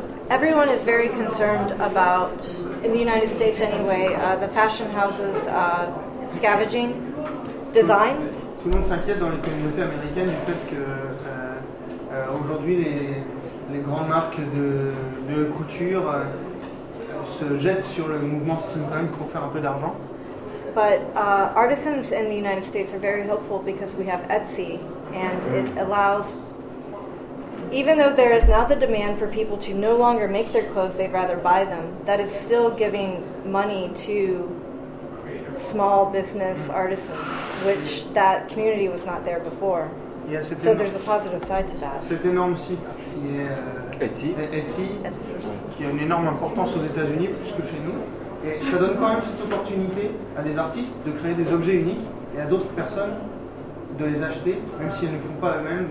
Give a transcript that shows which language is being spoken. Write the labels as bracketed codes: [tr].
[en] Everyone is very concerned about, in the United States anyway, the fashion houses scavenging designs. [fr] Tout le monde s'inquiète dans les communautés américaines du fait que aujourd'hui les grandes marques de couture se jettent sur le mouvement steampunk pour faire un peu d'argent. [en] But artisans in the United States are very hopeful because we have Etsy and it allows, even though there is not the demand for people to no longer make their clothes, they'd rather buy them, that is still giving money to small business artisans, which that community was not there before. Yeah, so there's a positive side to that. [fr] Cet énorme site qui est Etsy, qui a une énorme importance aux États-Unis plus que chez nous, et ça donne quand même cette opportunité à des artistes de créer des objets uniques et à d'autres personnes de les acheter, même si elles ne font pas eux-mêmes.